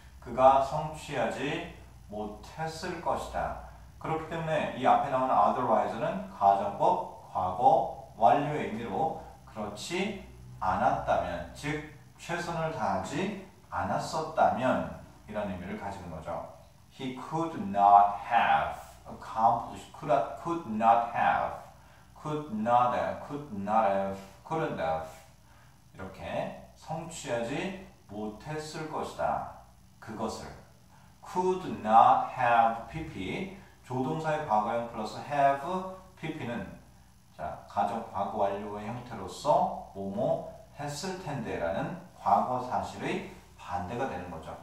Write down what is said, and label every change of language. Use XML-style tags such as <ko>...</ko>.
<ko>그가 성취하지 못했을 것이다. 그렇기 때문에 이 앞에 나오는 otherwise는 가정법, 과거, 완료의 의미로 그렇지 않았다면, 즉 최선을 다하지 않았었다면 이런 의미를 가지는 거죠.</ko> <en>He could not have accomplished, could not have, could not have, could not have, couldn't have.</en> <ko>이렇게 성취하지 못했을 것이다. 그것을.</ko> <en>Could not have pp.</en> <ko>조동사의 과거형 플러스 have pp는 자 가정 과거 완료의 형태로서 뭐뭐 했을 텐데라는 과거 사실의 반대가 되는 거죠.</ko>